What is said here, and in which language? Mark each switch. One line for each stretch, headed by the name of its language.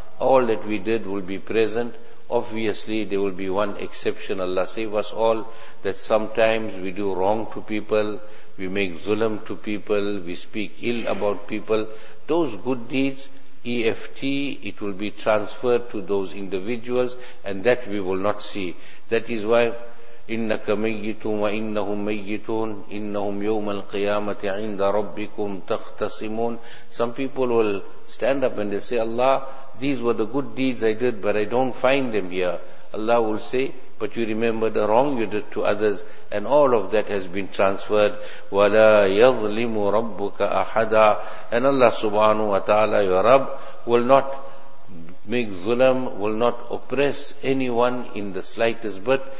English: All that we did will be present. Obviously, there will be one exception. Allah save us all, that sometimes we do wrong to people, we make zulm to people, we speak ill about people. Those good deeds, EFT, it will be transferred to those individuals, and that we will not see. That is why,
Arabic: إِنَّكَ مَيِّتٌ وَإِنَّهُمْ مَيِّتُونَ إِنَّهُمْ يَوْمَ الْقِيَامَةِ عِنْدَ رَبِّكُمْ تَخْتَصِمُونَ.
English: Some people will stand up and they say, Allah, these were the good deeds I did, but I don't find them here. Allah will say, but you remember the wrong you did to others, and all of that has been transferred.
Arabic: وَلَا يَظْلِمُ رَبُّكَ أَحَدًا.
English: And Allah subhanahu wa ta'ala, your Rabb, will not make zulam, will not oppress anyone in the slightest bit.